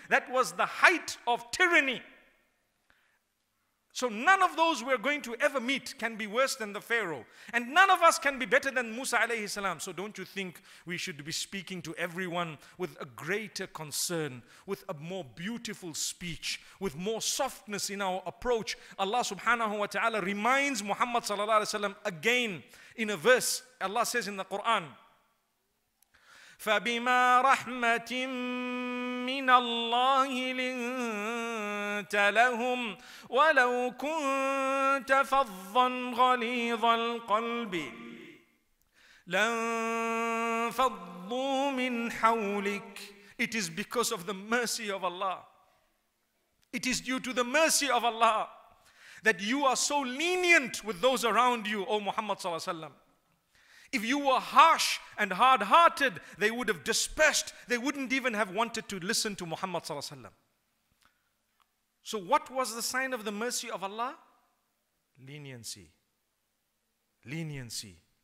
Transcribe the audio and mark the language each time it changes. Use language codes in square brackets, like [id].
[en] That was the height of tyranny. So none of those we're going to ever meet can be worse than the Pharaoh. And none of us can be better than Musa alayhi salam. So don't you think we should be speaking to everyone with a greater concern, with a more beautiful speech, with more softness in our approach? Allah subhanahu wa ta'ala reminds Muhammad sallallahu alayhi wa sallam again in a verse. Allah says in the Quran, [ar] فَبِمَا رَحْمَةٍ مِّنَ اللَّهِ لِنْتَ لَهُمْ وَلَوْ كُنْتَ فَظًّا غَلِيظَ الْقَلْبِ لَنْفَضُّوا مِنْ حَوْلِكَ. [en] It is because of the mercy of Allah. It is due to the mercy of Allah that you are so lenient with those around you, O Muhammad sallallahu alaihi wasallam. If you were harsh and hard-hearted, they would have dispersed. They wouldn't even have wanted to listen to Muhammad sallallahu alaihi wasallam. So what was the sign of the mercy of Allah? Leniency. Leniency.